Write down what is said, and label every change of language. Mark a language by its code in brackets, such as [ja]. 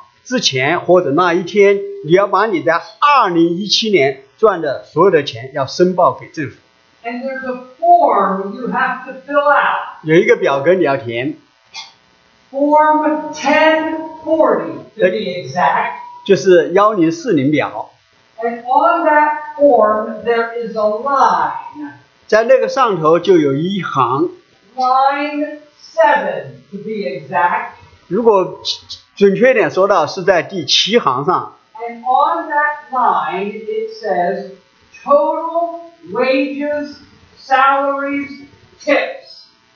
[zh] 那么如果你是一个遵纪守法在美国居住的公民或者是居民的话，你就知道政府要在4月15号之前或者那一天， 你要把你在2017年赚的所有的钱要申报给政府。 [en] And there's a form you have to fill out. [zh] 有一个表格你要填。 [en] Form 1040 to be exact. [zh] 就是1040表。 [en] And on that form there is a line. [zh] 在那个上头就有一行。 [en] Line 7 to be exact. [zh] 如果准确点说到是在第7行上。 [en] And on that line it says total wages, salaries, tips.